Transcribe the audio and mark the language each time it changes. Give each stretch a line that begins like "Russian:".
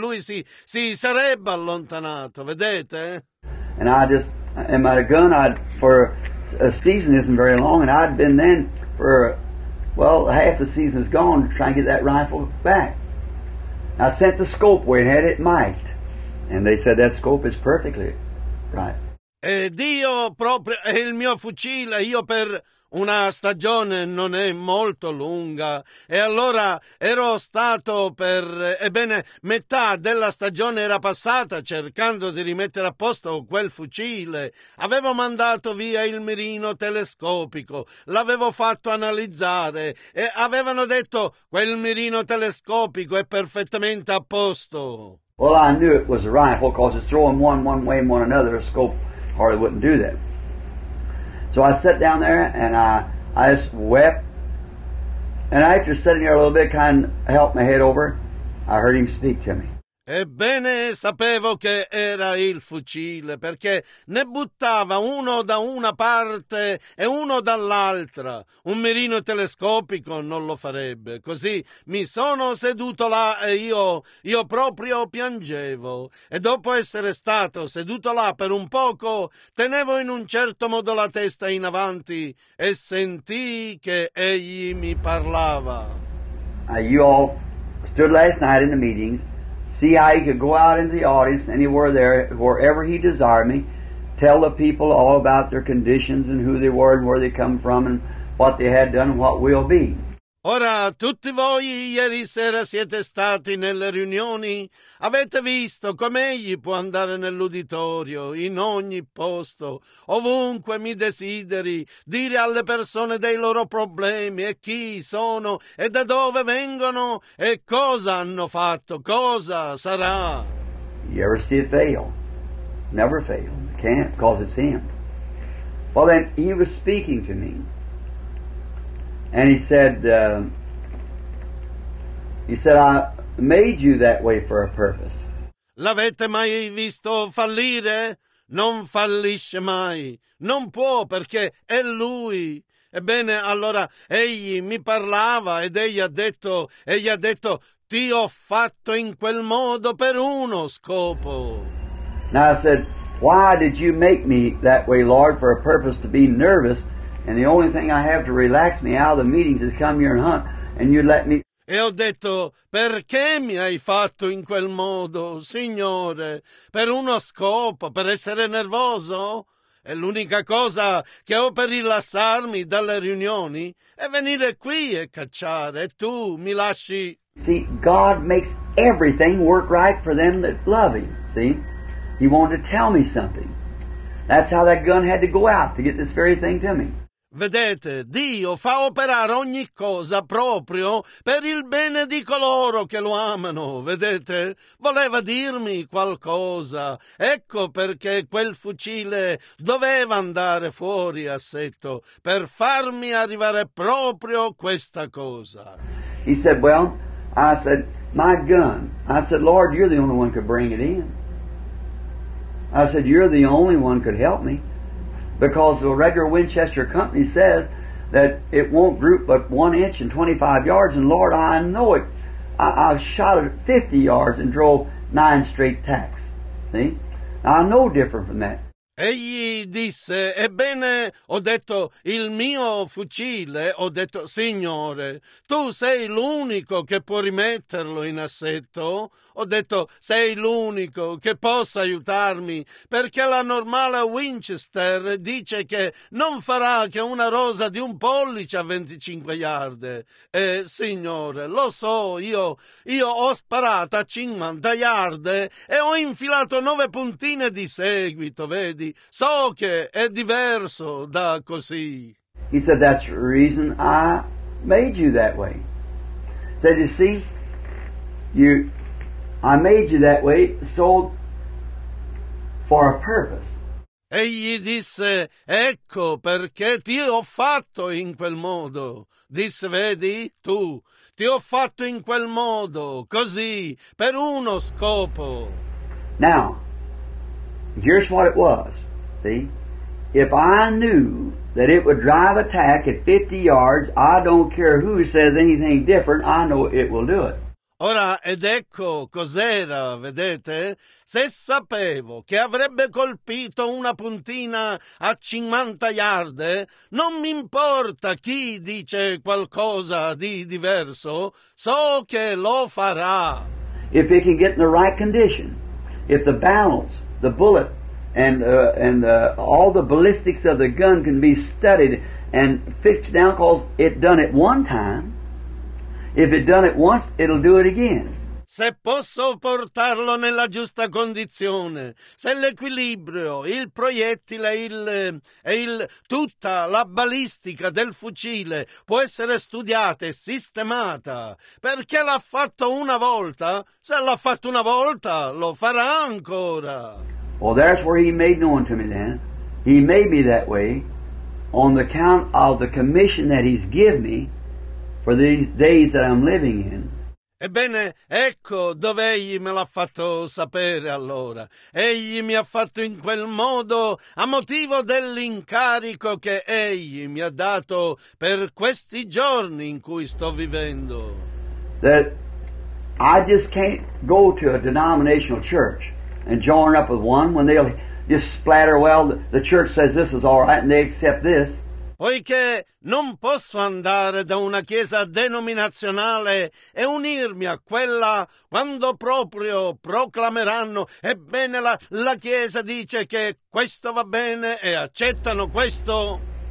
Italian: Lui si sarebbe allontanato, vedete?
English: And I just, and my gun, I'd for a season isn't very long, and I'd been then for, well, half the season is gone to try and get that rifle back. And I sent the scope where it had it mic'd, and they said that scope is perfectly right.
Italian: Ed io proprio, è il mio fucile, io per una stagione non è molto lunga, e allora ero stato per, ebbene, metà della stagione era passata cercando di rimettere a posto quel fucile. Avevo mandato via il mirino telescopico, l'avevo fatto analizzare, e avevano detto, quel mirino telescopico è perfettamente a posto.
English: Well, I knew it was a rifle, because it's throwing one way and one another, a scope hardly wouldn't do that. So I sat down there and I just wept. And after sitting there a little bit, kind of helped my head over, I heard him speak to me.
Italian: Ebbene, sapevo che era il fucile, perché ne buttava uno da una parte e uno dall'altra. Un mirino telescopico non lo farebbe. Così mi sono seduto là e io proprio piangevo. E dopo essere stato seduto là per un poco, tenevo in un certo modo la testa in avanti e sentii che egli mi parlava.
English: You all stood last night in the meetings. See how he could go out into the audience anywhere there, wherever he desired me, tell the people all about their conditions and who they were and where they come from and what they had done and what will be.
Italian: Ora, tutti voi ieri sera siete stati nelle riunioni, avete visto come egli può andare nell'uditorio, in ogni posto, ovunque mi desideri, dire alle persone dei loro problemi e chi sono e da dove vengono e cosa hanno fatto, cosa sarà.
English: You ever see it fail? Never fails. It can't, because it's him. Well then, he was speaking to me. And he said, I made you that way for a purpose.
Italian: L'avete mai visto fallire? Non fallisce mai. Non può perché è lui. Ebbene, allora egli mi parlava ed egli ha detto, ti ho fatto in quel modo per uno scopo.
English: Now I said, why did you make me that way, Lord, for a purpose to be nervous? And the only thing I have to relax me out of the meetings is come here and hunt, and you let me.
Italian: E ho detto, perché mi hai fatto in quel modo, Signore? Per uno scopo, per essere nervoso? È l'unica cosa che ho per rilassarmi dalle riunioni è venire qui e cacciare. Tu mi lasci.
English: See, God makes everything work right for them that love Him. See, He wanted to tell me something. That's how that gun had to go out to get this very thing to me.
Italian: Vedete, Dio fa operare ogni cosa proprio per il bene di coloro che lo amano. Vedete, voleva dirmi qualcosa. Ecco perché quel fucile doveva andare fuori assetto per farmi arrivare proprio questa cosa.
English: He said, well, I said, my gun. I said, Lord, you're the only one could bring it in. I said, you're the only one could help me. Because the regular Winchester company says that it won't droop but 1 inch and 25 yards. And Lord, I know it. I've shot it 50 yards and drove 9 straight tacks. See? I know different from that.
Italian: Egli disse, ebbene, ho detto, il mio fucile, ho detto, Signore, tu sei l'unico che può rimetterlo in assetto. Ho detto, sei l'unico che possa aiutarmi, perché la normale Winchester dice che non farà che una rosa di un pollice a 25 yarde. E, Signore, lo so, io ho sparato a 50 yarde e ho infilato 9 puntine di seguito, vedi? So che è diverso da così.
English: He said, that's the reason I made you that way. He said, you see, I made you that way so for a purpose.
Italian: Egli disse, ecco perché ti ho fatto in quel modo. Disse, vedi, tu, ti ho fatto in quel modo, così, per uno scopo.
English: Now, here's what it was. See, if I knew that it would drive a tack at 50 yards, I don't care who says anything different, I know it will do it.
Italian: Ora, ed ecco cos'era, vedete? Se sapevo che avrebbe colpito una puntina a 50 yarde, non mi importa chi dice qualcosa di diverso, so che lo farà.
English: If it can get in the right condition, if the balance, the bullet, all the ballistics of the gun can be studied and fixed down because it done it one time. If it done it once, it'll do it again.
Italian: Se posso portarlo nella giusta condizione, se l'equilibrio, il proiettile e tutta la balistica del fucile può essere studiata e sistemata, perché l'ha fatto una volta, se l'ha fatto una volta, lo farà ancora.
English: Well, that's where he made known to me then. He made me that way on the account of the commission that he's given me for these days that I'm living in.
Italian: Ebbene, ecco dove egli me l'ha fatto sapere allora. Egli mi ha fatto in quel modo a motivo dell'incarico che egli mi ha dato per questi giorni in cui sto vivendo.
English: That I just can't go to a denominational church and join up with one when they'll just splatter, well, the church says this is all right and they accept this.
Italian: Poiché non posso andare da una chiesa denominazionale e unirmi a quella quando proprio proclameranno, ebbene la chiesa dice che questo va bene e accettano questo.